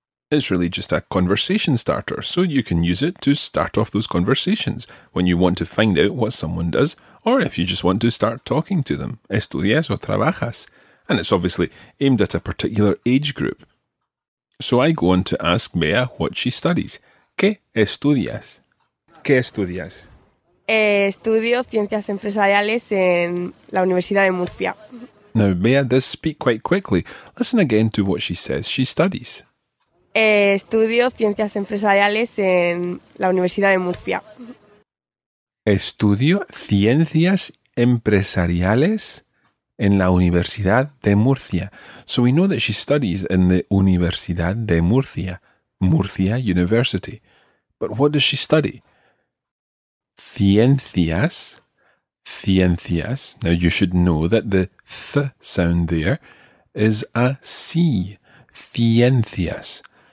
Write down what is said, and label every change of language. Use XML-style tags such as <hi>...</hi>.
<en>It's really just a conversation starter, so you can use it to start off those conversations when you want to find out what someone does or if you just want to start talking to them.</en> <es>Estudias o trabajas?</es> <en>And it's obviously aimed at a particular age group. So I go on to ask Bea what she studies.</en> <es>¿Qué estudias? ¿Qué estudias? Estudio ciencias empresariales en la Universidad de Murcia.</es> <en>Now, Bea does speak quite quickly. Listen again to what she says she studies.</en> <es>Estudio ciencias empresariales en la Universidad de Murcia. Estudio ciencias empresariales en la Universidad de Murcia.</es> <en>So we know that she studies in the Universidad de Murcia, Murcia University. But what does she study? Ciencias, ciencias. Now you should know that the th sound there is a C, ciencias.</en>